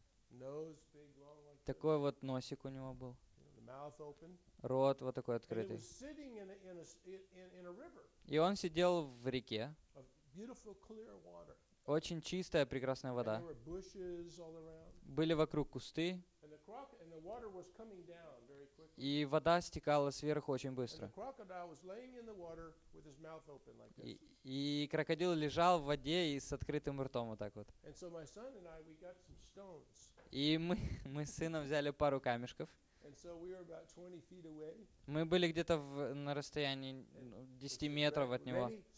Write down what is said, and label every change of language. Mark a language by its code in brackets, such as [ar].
[en] Nose big, long like this. [ru] Такой вот носик у него был. [en] The mouth open. [ru] Рот вот такой открытый. [en] And it was sitting in a river. [ru] И он сидел в реке. [en] A beautiful, clear water. [ru] Очень чистая, прекрасная вода. [en] And there were bushes all around. [ru] Были вокруг кусты. [en] And the water was coming down very quickly. [ru] И вода стекала сверху очень быстро. [en] And the crocodile was laying in the water with his mouth open like this. [ru] И крокодил лежал в воде и с открытым ртом вот так вот. [en] And so my son and I, we got some stones. [ru] И мы с сыном взяли пару камешков. [en] And so we were about 20 feet away. [ru] Мы были где-то на расстоянии 10 метров от него.